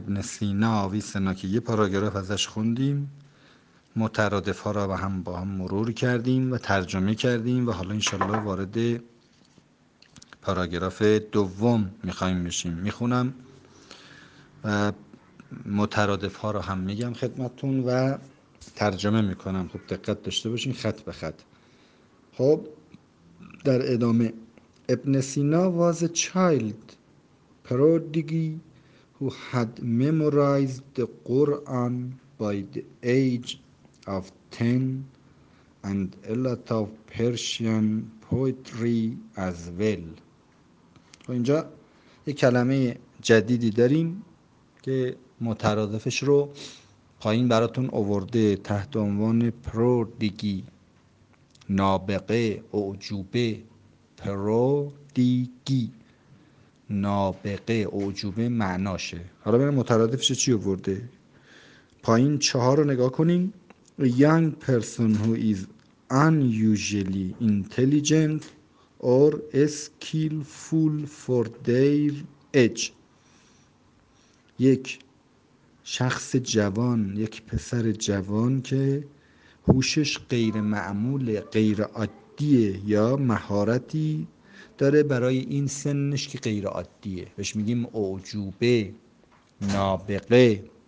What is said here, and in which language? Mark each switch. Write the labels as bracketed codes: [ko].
[fa] ابن سینا آوی سناکی یه پاراگراف ازش خوندیم، مترادف ها را و هم با هم مرور کردیم و ترجمه کردیم و حالا انشالله وارد پاراگراف 2 میخواییم بشیم. میخونم و مترادف ها را هم میگم خدمتون و ترجمه میکنم. خب دقت داشته باشین خط به خط. خب در ادامه، [en] ابن سینا was a child prodigy who had memorized the Quran by the age of 10 and a lot of Persian poetry as well. [fa] خب اینجا یک کلمه جدیدی داریم که مترادفش رو پایین براتون اوورده تحت عنوان پرودیگی، نابغه، اعجوبه. پرودیگی نابغه، اعجوبه معناشه. حالا ببینیم مترادفش چی اوورده. پایین 4 رو نگاه کنین. [en] A young person who is unusually intelligent or skillful for their age. [fa] یک شخص جوان، یک پسر جوان که هوشش غیر معمول، غیر عادیه، یا مهارتی داره برای این سنش که غیر عادیه، بهش میگیم اعجوبه، نابغه.